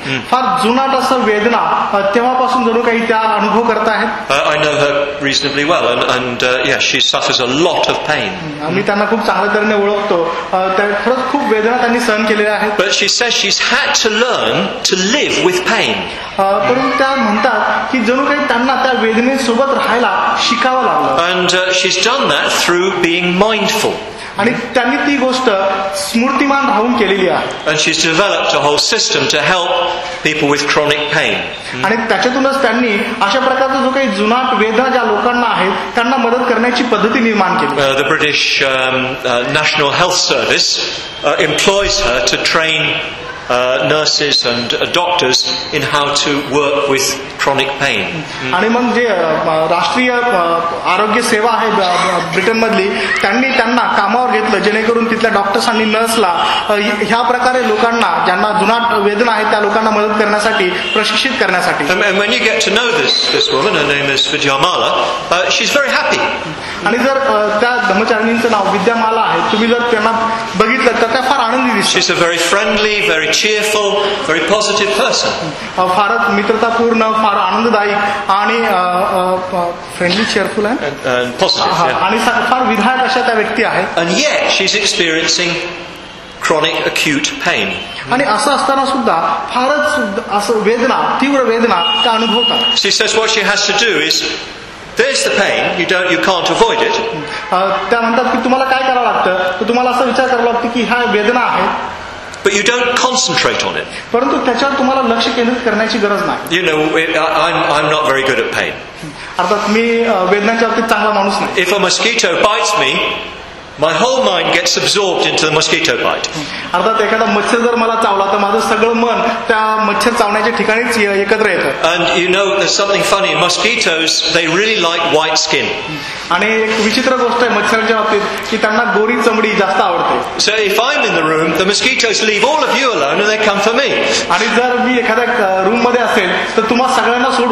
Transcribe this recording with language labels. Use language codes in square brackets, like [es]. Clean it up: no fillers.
[mr] फार जुनाट असं वेदना तेव्हापासून जणू काही त्या अनुभव करत आहेत. [en] I know her reasonably well and she suffers a lot of pain. [mr] आम्ही त्यांना खूप चांगल्या तऱ्हेने ओळखतो. खरंच खूप वेदना त्यांनी सहन केलेल्या आहेत. [en] But she says she's had to learn to live with pain. [mr] परंतु त्या म्हणतात की जणू काही त्यांना त्या वेदनेसोबत राहायला शिकावं लागलं. [en] And she's done that through being mindful. [mr] आणि त्यांनी ती गोष्ट स्मृतिमान राहून केलेली आहे. [en] And she's developed a whole system to help people with chronic pain. [mr] आणि त्याच्यातूनच त्यांनी अशा प्रकारचा जो काही जुनाट वेदना ज्या लोकांना आहेत त्यांना मदत करण्याची पद्धती निर्माण केली. [en] The British National Health Service employs her to train nurses and doctors in how to work with chronic pain. [mr] आणि मग जे राष्ट्रीय आरोग्य सेवा आहे ब्रिटन मधली त्यांनी त्यांना कामावर घेतलं जेणेकरून तिथल्या डॉक्टर्स आणि नर्सला ह्या प्रकारे लोकांना ज्यांना जुनाट वेदना आहे त्या लोकांना मदत करण्यासाठी प्रशिक्षित करण्यासाठी. [en] When you get to know this woman, her name is Vidyamala, she's very happy. [mr] आणि जर त्या धर्मचारिणींचं नाव विद्यामाला आहे तुम्ही जर त्यांना बघितलं तर त्या फार आनंदी दिसतात. [en] She's a very friendly, very cheerful, very positive person. [mr] फार मित्रतापूर्ण, फार आनंददायी आणि [en] friendly, cheerful [mr] आणि फार विधायक अशा त्या व्यक्ती आहे. [en] And yet she's experiencing chronic acute pain. [mr] आणि असं असताना सुद्धा फारच असं वेदना, तीव्र वेदना त्या अनुभवतात. [en] She says what she has to do is there's the pain, you can't avoid it. [mr] त्या म्हणतात की तुम्हाला काय करावं लागतं तर तुम्हाला असं विचार करावं लागतं की हा वेदना आहे. [en] But you don't concentrate on it. [mr] परंतु त्याच्यावर तुम्हाला लक्ष केंद्रित करण्याची गरज नाही. [en] You know, I'm not very good at pain. [mr] अर्थात मी वेदनांच्या बाबतीत चांगला माणूस नाही. [en] If a mosquito bites me, my whole mind gets absorbed into the mosquito bite. [mr] अर्थात एखादा मच्छर जर मला चावला तर माझं सगळं मन त्या मच्छर चावण्याच्या ठिकाणीच एकत्र येतं. [en] And you know, there's something funny. Mosquitoes, they really like white skin. [mr] आणि एक विचित्र गोष्ट आहे मच्छरांच्या बाबतीत की त्यांना गोरी चमडी जास्त आवडते. [en] So if I'm in the room, the mosquitoes leave all of you alone and they come for me. [mr] आणि जर मी एखाद्या रूम मध्ये असेल तर तुम्हाला सगळ्यांना